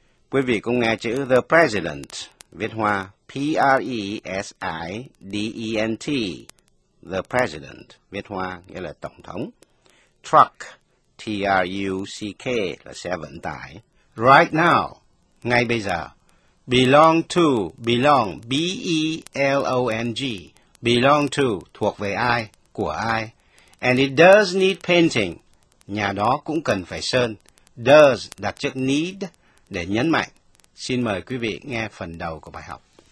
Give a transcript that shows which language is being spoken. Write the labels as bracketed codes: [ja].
[vi] Quý vị cũng nghe chữ The President, viết hoa P-R-E-S-I-D-E-N-T, The President, viết hoa, nghĩa là Tổng thống. Truck, T-R-U-C-K, là xe vận tải. Right now, ngay bây giờ. Belong to, belong, B-E-L-O-N-G, belong to, thuộc về ai, của ai. [en] And it does need painting. [vi] Nhà đó cũng cần phải sơn. Does đặt trước need để nhấn mạnh. Xin mời quý vị nghe phần đầu của bài học.